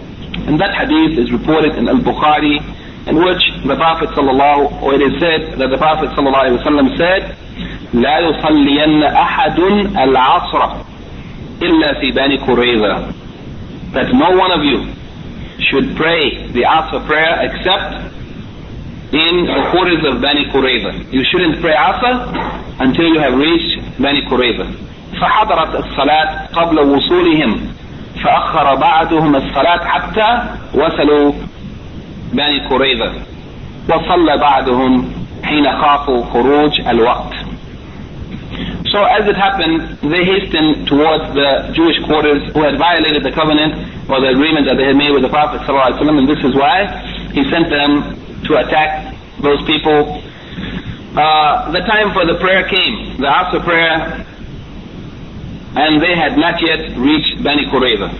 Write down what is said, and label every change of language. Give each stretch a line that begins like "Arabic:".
English: And that hadith is reported in Al-Bukhari, in which the Prophet ﷺ, or it is said that the Prophet ﷺ said,
Arabic: لَا يُصَلِّيَنَّ أَحَدٌ الْعَصْرَ إِلَّا فِي بَنِي كُرَيْذَا,
English: that no one of you should pray the Asr prayer except in the quarters of Bani Qurayza. You shouldn't pray Asr until you have reached Bani Qurayza.
Arabic: فَحَضَرَتْ الصَّلَاةِ قَبْلَ وُصُولِهِمْ فأخر بعضهم الصلاة حتى وصلوا بني كريضة وصلى بعضهم حين خافوا خروج الوقت.
English: So as it happened, they hastened towards the Jewish quarters who had violated the covenant or the agreement that they had made with the Prophet ﷺ, and this is why he sent them to attack those people. The time for the prayer came, the Asr prayer, and they had not yet reached Bani Qurayza.